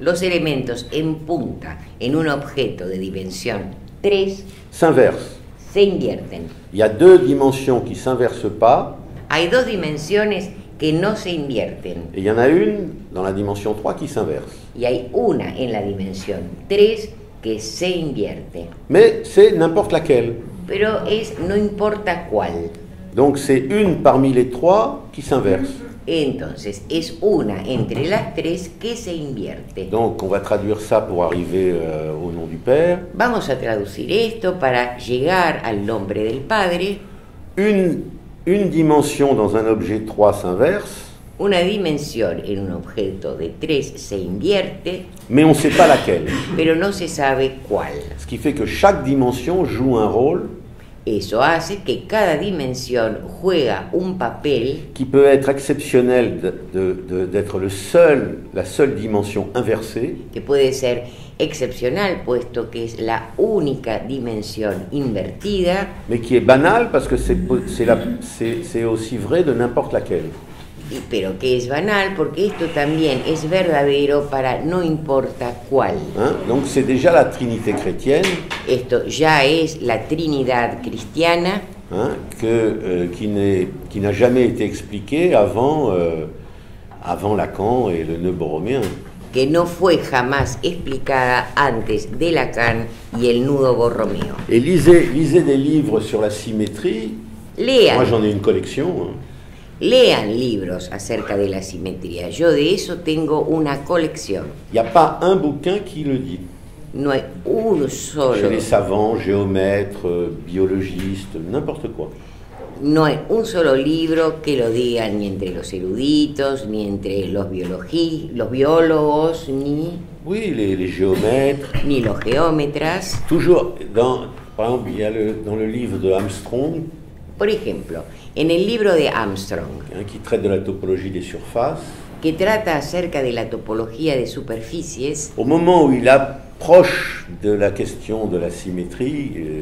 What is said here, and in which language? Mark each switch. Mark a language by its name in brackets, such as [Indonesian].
[Spanish] Los elementos en punta en un objeto de dimensión 3. [French] S'inversent. [Spanish] Se invierten. [French] Il y a deux dimensions qui ne s'inversent pas. [Spanish] Hay dos dimensiones que no se invierten. [French] Et il y en a une dans la dimension 3 qui s'inverse. [Spanish] Y hay una en la dimensión 3 que se invierte. [French] Mais c'est n'importe laquelle. [Spanish] Pero es no importa cuál. [French] Donc c'est une parmi les trois qui s'inverse. [Spanish] Entonces, es una entre las tres que se invierte. [French] Donc on va traduire ça pour arriver au nom du Père. [Spanish] Vamos a traducir esto para llegar al nombre del Padre. [French] Une dimension dans un objet 3 s'inverse. [Spanish] Una dimensión en un objeto de 3 se invierte. [French] Mais on sait pas laquelle. [Spanish] Pero no se sabe cuál. [French] Ce qui fait que chaque dimension joue un rôle. [Spanish] Eso hace que cada dimensión juega un papel [French] qui peut être exceptionnel d'être la seule dimension inversée. [Spanish] Que puede ser excepcional puesto que es la única dimensión invertida. [French] Mais qui est banal parce que c'est aussi vrai de n'importe laquelle. [Spanish] Pero que es banal porque esto también es verdadero para no importa cuál. Hein? [French] Donc c'est déjà la Trinité chrétienne. [Spanish] Esto ya es la Trinidad cristiana. Hein? [French] Qui n'a jamais été expliquée avant Lacan et le nœud borroméen. [Spanish] Que no fue jamás explicada antes de Lacan y el nudo borromeo. [French] Et lisez des livres sur la symétrie. [Spanish] Léan. [French] Moi j'en ai une collection. [Spanish] Lean libros acerca de la simetría. Yo de eso tengo una colección. [French] Il y a pas un bouquin qui le dit. [Spanish] No hay un solo. [French] Chez les savants, géomètres, biologistes, n'importe quoi. [Spanish] No hay un solo libro que lo diga ni entre los eruditos, ni entre los biólogos, ni. [French] Oui, les géomètres. [Spanish] Ni los geómetras. [French] Toujours dans, par exemple, il y a dans le livre de Armstrong. [Spanish] Por ejemplo, en el libro de Armstrong, [French] qui traite de la topologie des surfaces, [Spanish] que trata acerca de la topología de superficies, [French] au moment où il approche de la question de la symétrie,